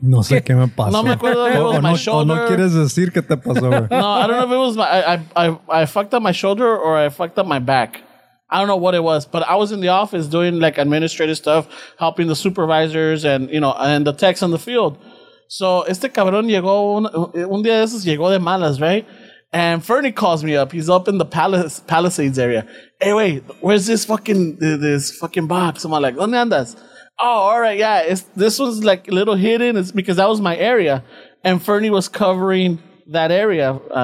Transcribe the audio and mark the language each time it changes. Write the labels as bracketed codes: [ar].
[es] no sé qué me pasó, no me acuerdo [en] if it was my shoulder [es] o no quieres decir que te pasó. [en] No, I don't know if it was my I fucked up my shoulder or I fucked up my back. I don't know what it was, but I was in the office doing like administrative stuff, helping the supervisors and, you know, and the techs on the field. [es] So, este cabrón llegó un día de esos, llegó de malas, right? [en] And Fernie calls me up. He's up in the Palisades area. Hey, wait, where's this fucking box? I'm like, [es] ¿dónde andas? [en] Oh, all right, yeah. This was like a little hidden. It's because that was my area. And Fernie was covering that area.